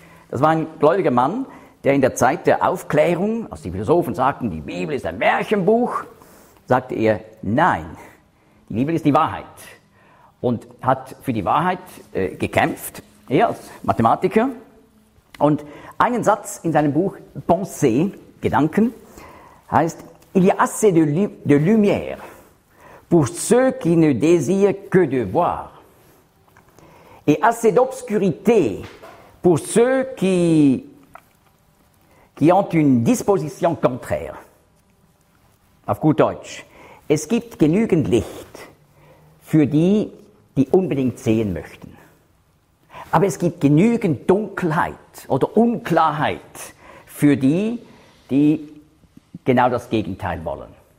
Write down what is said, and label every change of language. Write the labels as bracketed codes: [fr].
[de] Das war ein gläubiger Mann, der in der Zeit der Aufklärung, als die Philosophen sagten, die Bibel ist ein Märchenbuch, sagte er, nein, die Bibel ist die Wahrheit. Und hat für die Wahrheit gekämpft, er als Mathematiker. Und einen Satz in seinem Buch Pensée, Gedanken, heißt: [fr] Il y a assez de lumière pour ceux qui ne désirent que de voir. Et assez d'obscurité pour ceux qui ont une disposition contraire. [de] Auf gut Deutsch. Es gibt genügend Licht für die, die unbedingt sehen möchten. Aber es gibt genügend Dunkelheit oder Unklarheit für die, die genau das Gegenteil wollen.